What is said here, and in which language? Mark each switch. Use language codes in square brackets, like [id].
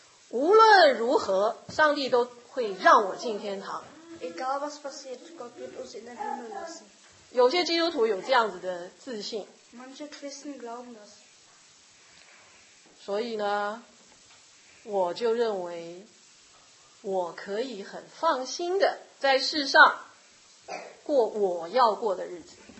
[zh] 无论如何，上帝都会让我进天堂。 [de] Egal was passiert, Gott wird uns in den Himmel lassen. [zh] 有些基督徒有这样子的自信。 [de] Manche Christen glauben das. [zh] 所以呢，我就认为我可以很放心的在世上过我要过的日子。